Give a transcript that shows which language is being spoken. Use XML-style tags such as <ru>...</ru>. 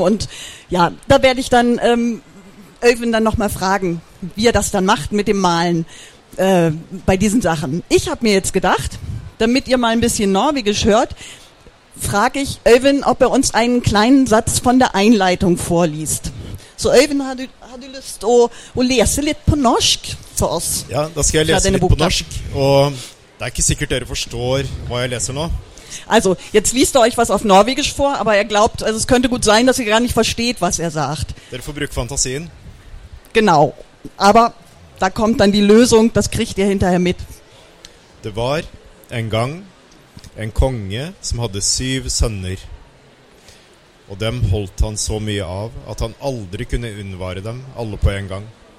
<de>Und ja, da werde ich dann Øyvind dann nochmal fragen, wie er das dann macht mit dem Malen bei diesen Sachen. Ich habe mir jetzt gedacht, damit ihr mal ein bisschen Norwegisch hört, frage ich Øyvind, ob er uns einen kleinen Satz von der Einleitung vorliest.</de> <no>So, Øyvind, har du lyst å lese litt på norsk for oss? Ja, da skal jeg lese litt på norsk, og det ikke sikkert dere forstår hva jeg leser nå.</no> <de>Also, jetzt liest euch was auf Norwegisch vor, aber er glaubt, also es könnte gut sein, dass ihr gar nicht versteht, was er sagt.</de> <no>Dere får bruke fantasien.</no> <de>Genau, aber da kommt dann die Lösung, das kriegt ihr hinterher mit.</de> <no>Det var en gang en konge som hadde 7 sønner, og dem holdt han så mye av at han aldri kunne unnvare dem alle på en gang.</no>